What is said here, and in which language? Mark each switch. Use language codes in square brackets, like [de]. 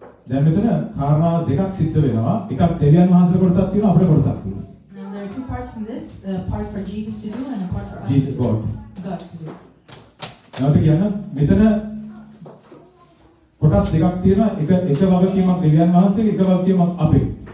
[si] දැන් මෙතන කාරණා දෙකක් සිද්ධ වෙනවා එකක් දෙවියන් වහන්සේ කොටසක් තියෙනවා අපේ කොටසක් තියෙනවා [en] now there are two parts in this the part for Jesus to do and a part for us Jesus God God [si] නැවත කියන්න මෙතන කොටස් දෙකක් තියෙනවා එක එක වගකීමක් දෙවියන් වහන්සේගේ එක වගකීමක් අපේ